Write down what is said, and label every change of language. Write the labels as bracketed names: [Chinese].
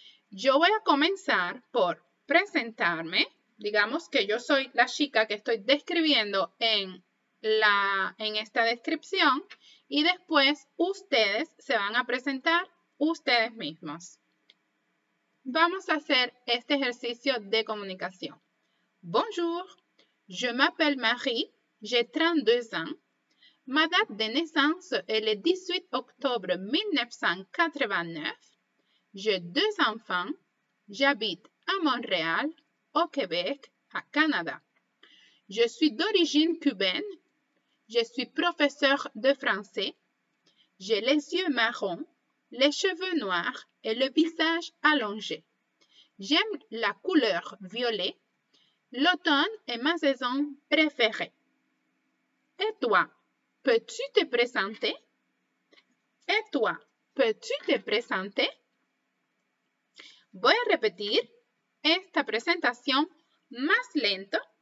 [Spanish] Yo voy a comenzar por presentarme. Digamos que yo soy la chica que estoy describiendo en esta descripción y después ustedes se van a presentar ustedes mismos. Vamos a hacer este ejercicio de comunicación. [French] Bonjour, je m'appelle Marie, j'ai 32 ans. Ma date de naissance est le 18 octobre 1989. J'ai deux enfants. J'habite à Montréal, au Québec, au Canada. Je suis d'origine cubaine. Je suis professeure de français. J'ai les yeux marrons, les cheveux noirs et le visage allongé. J'aime la couleur violet. L'automne est ma saison préférée. Et toi, peux-tu te présenter? Et toi, peux-tu te présenter? [Spanish] Voy a repetir esta presentación más lento.